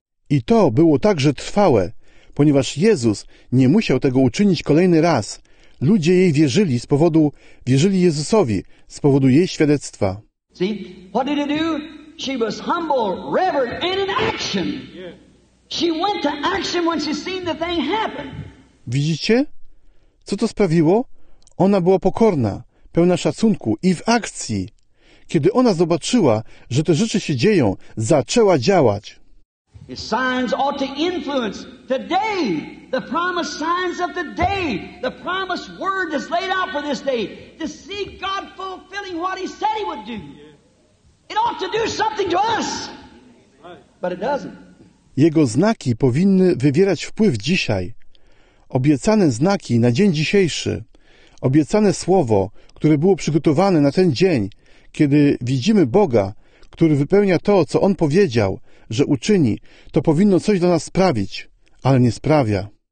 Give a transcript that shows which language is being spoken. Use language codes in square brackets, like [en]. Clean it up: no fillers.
[pl] I to było także trwałe, ponieważ Jezus nie musiał tego uczynić kolejny raz. Ludzie jej wierzyli z powodu, wierzyli Jezusowi z powodu jej świadectwa. [en] See, what did it do? She was humble, reverent, and in action. She went to action when she seen the thing happen. [pl] Widzicie? Co to sprawiło? Ona była pokorna, pełna szacunku i w akcji. Kiedy ona zobaczyła, że te rzeczy się dzieją, zaczęła działać. [en] His signs ought to influence today. The promised signs of the day, the promised word that's laid out for this day, to see God fulfilling what he said he would do. It ought to do something to us, but it doesn't. [pl] Jego znaki powinny wywierać wpływ dzisiaj. Obiecane znaki na dzień dzisiejszy, obiecane słowo, które było przygotowane na ten dzień, kiedy widzimy Boga, który wypełnia to, co on powiedział, że uczyni, to powinno coś dla nas sprawić, ale nie sprawia.